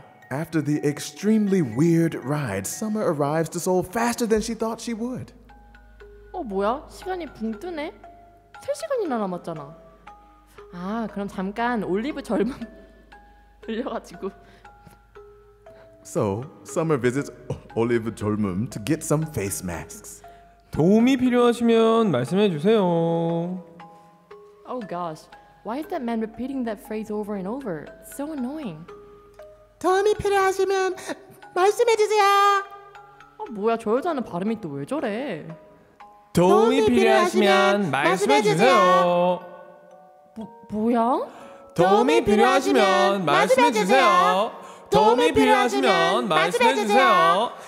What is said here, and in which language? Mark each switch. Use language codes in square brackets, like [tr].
[en] After the extremely weird ride, Summer arrives to Seoul faster than she thought she would. [ko] 어, 뭐야? 시간이 붕 뜨네? 3시간이나 남았잖아. 아, 그럼 잠깐 올리브 절망 들려가지고. [en] So, Summer visits Olive 젊음 to get some face masks. [ko] 도움이 필요하시면 말씀해 주세요. [en] Oh gosh, why is that man repeating that phrase over and over? It's so annoying. [ko] 도움이 필요하시면 말씀해 주세요. 아, 뭐야, 저 여자는 발음이 또 왜 저래? 도움이 필요하시면 말씀해 주세요. 뭐야? 도움이 필요하시면 말씀해 주세요. 도움이 필요하시면 말씀해 주세요.